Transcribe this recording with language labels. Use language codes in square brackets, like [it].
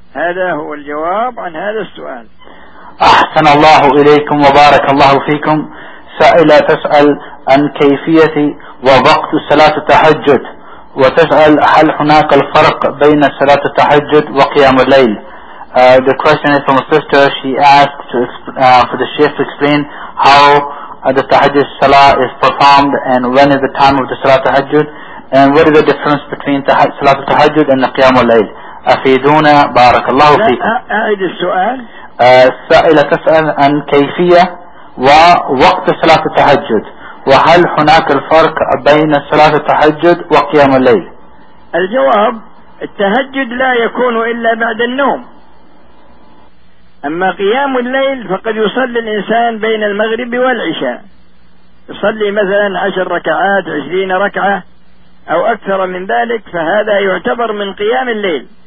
[ar] هذا هو الجواب عن هذا السؤال. أحسن الله إليكم وبارك الله فيكم. سائلة تسأل عن كيفية ووقت صلاة التهجد، وتسأل هل هناك الفرق بين صلاة التهجد وقيام الليل. [en] The question is from a sister. She asked to for the sheikh to explain how the tahajjud salah is performed and when is the time of the salah tahajjud and what is the difference between salah tahajjud and qiyam al-layl. [ar] أفيدونا بارك الله فيكم. أعيد السؤال. سائلة تسأل عن كيفية ووقت صلاة التهجد، وهل هناك الفرق بين صلاة التهجد وقيام الليل؟ الجواب: التهجد لا يكون إلا بعد النوم، أما قيام الليل فقد يصلي الإنسان بين المغرب والعشاء، يصلي مثلا 10 ركعات 20 ركعة أو أكثر من ذلك، فهذا يعتبر من قيام الليل.